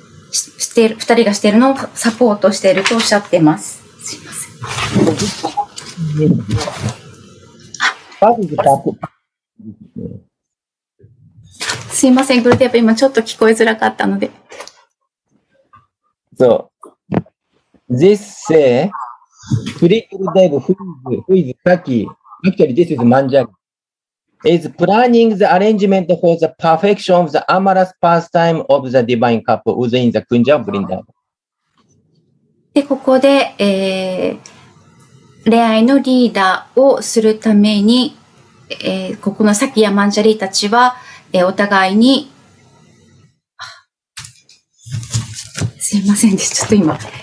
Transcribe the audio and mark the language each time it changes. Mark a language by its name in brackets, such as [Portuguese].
[Japanese] して二人がしているのをサポートしているとおっしゃってます。すいません。すいません、グルテープ今ちょっと聞こえづらかったので。そう。 [English] This say, Shri Gurudev, who is Saki, actually this is Manjari, is planning the arrangement for the perfection of the amorous pastime of the divine couple within the Kunja of Vrindavan. [Japanese] で、ここで、恋愛のリーダーをするために、ここのサキやマンジャリたちは、お互いに、すいませんでした。ちょっと今。